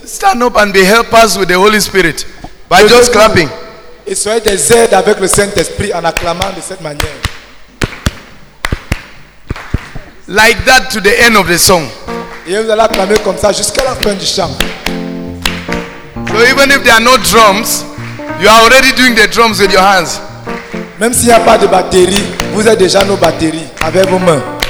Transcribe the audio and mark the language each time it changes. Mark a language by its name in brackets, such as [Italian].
[English] stand up and be helpers with the Holy Spirit by just clapping. [French] Et soyez des aides avec le Saint-Esprit en acclamant de cette manière. [English] Like that to the end of the song. [French] Et vous allez acclamer comme ça jusqu'à la fin du chant. [English] So even if there are no drums, you are already doing the drums with your hands. [French] Même s'il n'y a pas de batterie, vous êtes déjà nos batteries avec vos mains.